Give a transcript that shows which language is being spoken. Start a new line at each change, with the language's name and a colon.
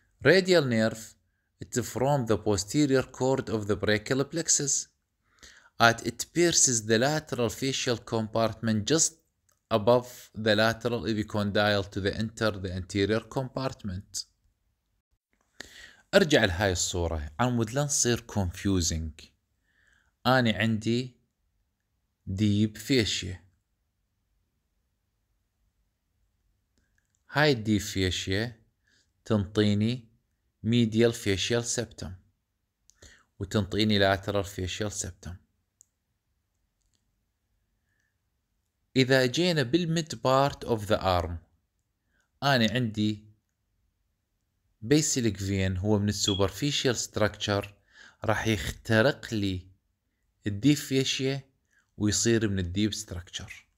English: Radial nerve it's from the posterior cord of the brachial plexus and it pierces the lateral facial compartment just above the lateral epicondyle to the enter the anterior compartment.
Arabic: ارجع لهاي الصورة عمود لا نصير confusing. اني عندي deep fascia. هاي deep fascia تنطيني medial facial septum وتنطيني lateral facial septum. إذا جينا بال
English: mid part of the arm
Arabic: أنا عندي basilic vein هو من
English: superficial structure
Arabic: راح يخترق لي الديب فيشيا ويصير من الديب structure.